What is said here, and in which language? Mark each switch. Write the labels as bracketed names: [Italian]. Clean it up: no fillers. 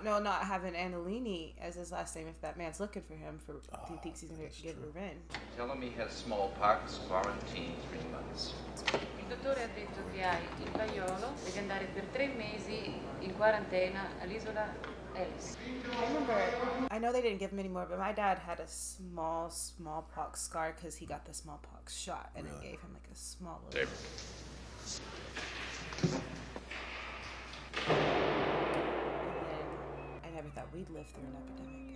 [English] Not having Andolini as his last name if that man's looking for him for he thinks he's gonna get revenge. Tell him he has smallpox, quarantine 3 months. [Italian] Il dottore ha detto che hai il paiolo, devi andare per 3 mesi in quarantena all'isola. [English] I remember, I know they didn't give him any more, but my dad had a smallpox scar because he got the smallpox shot, and it gave him like a small little... Table. And then, I never thought we'd live through an epidemic.